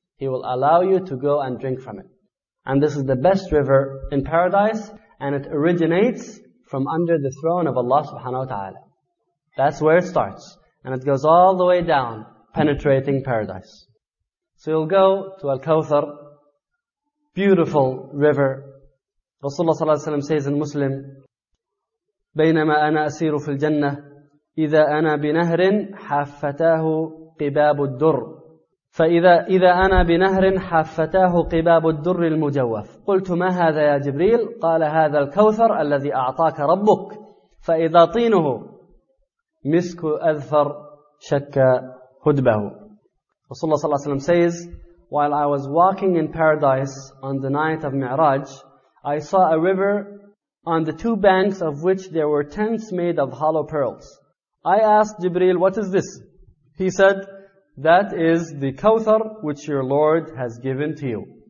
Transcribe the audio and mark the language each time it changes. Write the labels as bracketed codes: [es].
[en] He will allow you to go and drink from it. And this is the best river in paradise, and it originates from under the throne of Allah subhanahu wa ta'ala. That's where it starts. And it goes all the way down, penetrating paradise. So you'll go to Al-Kawthar, beautiful river. [ar] Rasulullah sallallahu alayhi wa sallam [en] says in [ar] Muslim, بَيْنَمَا أَنَا أَسِيرُ فِي الْجَنَّةِ إِذَا أَنَا بِنَهْرٍ حَافَّتَاهُ قِبَابُ الدُّرِّ فَإِذَا أَنَا بِنَهْرٍ حَافَّتَاهُ قِبَابُ الدُّرِّ الْمُجَوَّفِ قُلْتُ مَا هَذَا يَا جِبْرِيلُ قَالَ هَذَا الْكَوْثَرُ الَّذِي أَعْطَاكَ رَبُّكَ فَإِذَا طِينُهُ مِسْكُ أَذْفَرْ شَكَّ هُدْبَهُ. [en] Rasulullah sallallahu alayhi wa sallam says, while I was walking in paradise on the night of Mi'raj, I saw a river on the two banks of which there were tents made of hollow pearls. I asked Jibreel, what is this? He said, that is the Kawthar which your Lord has given to you.